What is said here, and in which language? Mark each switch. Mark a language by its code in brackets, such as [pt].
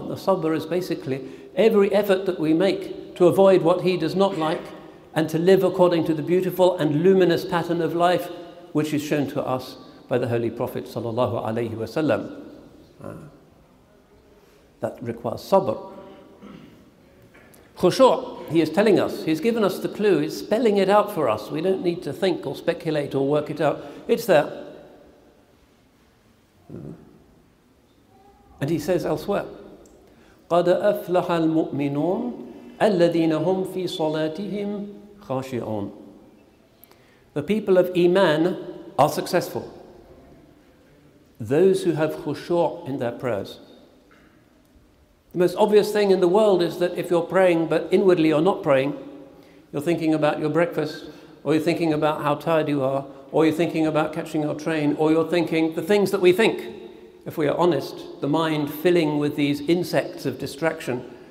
[en] And the sabr is basically every effort that we make to avoid what he does not like and to live according to the beautiful and luminous pattern of life which is shown to us by the Holy Prophet sallallahu alayhi wa sallam. That requires sabr. Khushu', he is telling us, he's given us the clue, he's spelling it out for us. We don't need to think or speculate or work it out. It's there. And he says elsewhere, [ar] قَدْ أَفْلَحَ الْمُؤْمِنُونَ الَّذِينَ هُمْ فِي صَلَاتِهِمْ خَاشِعُونَ. [en] The people of Iman are successful. Those who have khushu' in their prayers. The most obvious thing in the world is that if you're praying, but inwardly you're not praying, you're thinking about your breakfast, or you're thinking about how tired you are, or you're thinking about catching your train, or you're thinking the things that we think, if we are honest, the mind filling with these insects of distraction.